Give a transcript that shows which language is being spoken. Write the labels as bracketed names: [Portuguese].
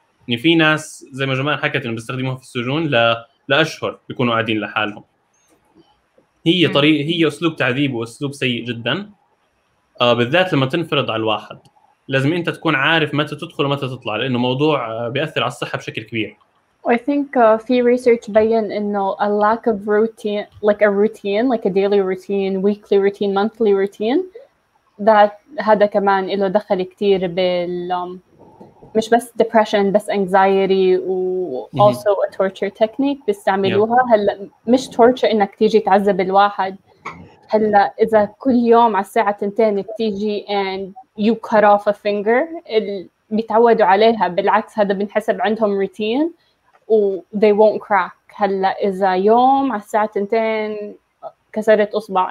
[Arabic] يعني في ناس زي ما جمال حكت إنه بيستخدموها في السجون لأشهر بيكونوا قاعدين لحالهم. هي طريق، هي أسلوب تعذيب وأسلوب سيء جداً، بالذات لما تنفرض على الواحد. لازم أنت تكون عارف متى تدخل ومتى تطلع، لأنه موضوع بيأثر على الصحة بشكل كبير. [English] I think في research بيّن إنه a lack of routine, like a routine, like a daily routine, weekly routine, monthly routine, that هذا كمان إله دخل كتير بال مش بس depression بس anxiety و also a torture technique بيستعملوها. [Arabic] هلا مش torture إنك تيجي تعذب الواحد، هلا إذا كل يوم على الساعة 2 تيجي and you cut off a finger بيتعودوا عليها، بالعكس هذا بنحسب عندهم routine. و they won't crack. هلا إذا يوم على الساعة 2 كسرت اصبع.